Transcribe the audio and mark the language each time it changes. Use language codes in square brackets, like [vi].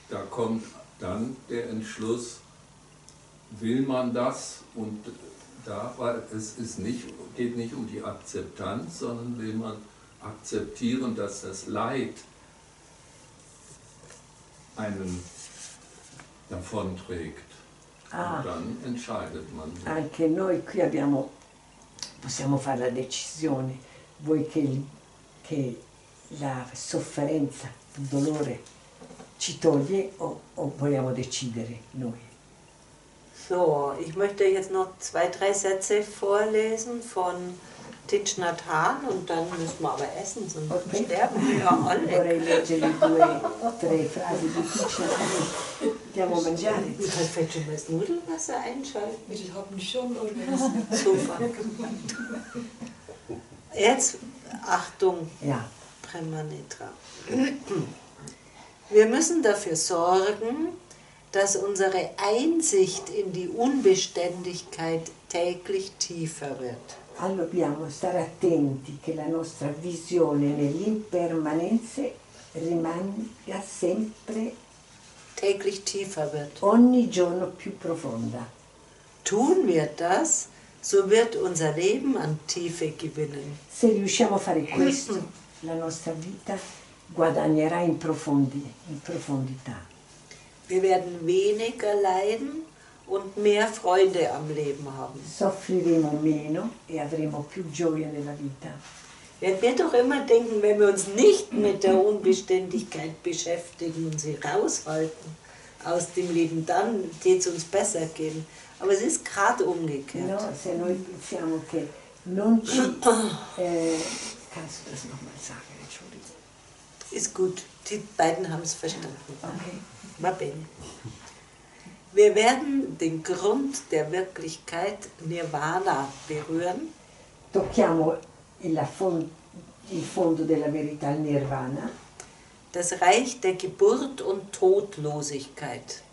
[de] da kommt dann der Entschluss, will man das und da, weil es ist nicht, geht nicht um die Akzeptanz, sondern will man akzeptieren, dass das Leid einen davonträgt. dann entscheidet man sich. [it] Anche noi qui abbiamo, possiamo fare la decisione, vuoi che la sofferenza, il dolore ci toglie o vogliamo decidere noi. [de] So, ich möchte jetzt noch zwei, drei Sätze vorlesen von Thich Nhat Hanh und dann müssen wir aber essen, sonst okay. Sterben wir ja alle. [it] Vorrei leggere due, tre frasi di Thich Nhat Hanh. Andiamo a mangiare. [de] Du kannst vielleicht schon mal das Nudelwasser einschalten. Ich habe mich schon organisiert. Super. Jetzt, Achtung, ja. Premanitra. Wir müssen dafür sorgen, dass unsere Einsicht in die Unbeständigkeit täglich tiefer wird. [it] Allora dobbiamo stare attenti che la nostra visione nell'impermanenza rimanga sempre [de] täglich tiefer wird. [it] Ogni giorno più profonda. [de] Tun wir das, so wird unser Leben an Tiefe gewinnen. [it] Se riusciamo a fare questo, la nostra vita guadagnerà in profondità. [de] Wir werden weniger leiden und mehr Freude am Leben haben. [it] Soffriremo meno e avremo più gioia nella vita. [de] Wenn wir doch immer denken, wenn wir uns nicht mit der Unbeständigkeit beschäftigen und sie raushalten aus dem Leben, dann geht es uns besser gehen. Aber es ist gerade umgekehrt. [it] No, se noi pensiamo che non ci... [de] kannst du das nochmal sagen, Entschuldigung. Ist gut, die beiden haben es verstanden. Okay. Wir werden den Grund der Wirklichkeit Nirvana berühren. [it] Tocchiamo il fondo della verità Nirvana. [de] Das Reich der Geburt und Todlosigkeit.